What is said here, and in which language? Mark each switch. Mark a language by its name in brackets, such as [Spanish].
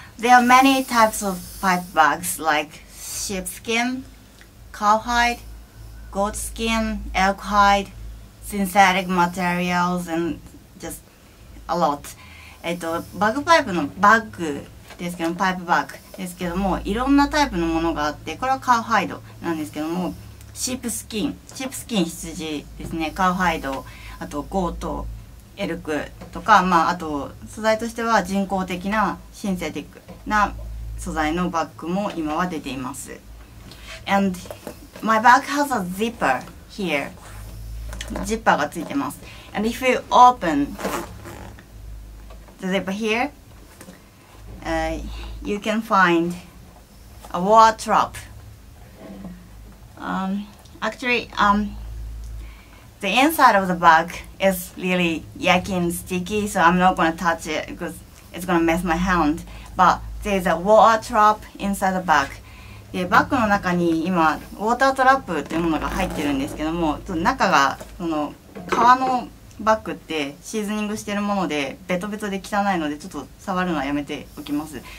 [English] There are many types of pipe bags like sheepskin, cowhide, goatskin, elk hide, synthetic materials and just a lot. [Japanese] バグパイプのバッグですけど、パイプバッグですけども、いろんなタイプのものがあって、これはカウハイドなんですけども、シープスキン羊ですね、カウハイド、あとゴート、エルクとか、まあ、あと素材としては人工的なシンセティックな素材のバッグも今は出ています。 [English] And my bag has a zipper here. [Japanese] ジッパーがついてます。 [English] And if you openThe zipper here, you can find a water trap. Actually, the inside of the bag is really yucky and sticky, so I'm not going to touch it because it's going to mess my hand. But there's a water trap inside the bag. [Japanese] で、バッグの中に今、ウォータートラップというものが入ってるんですけども、中がその革のバッグってシーズニングしてるものでベトベトで汚いので、ちょっと触るのはやめておきます。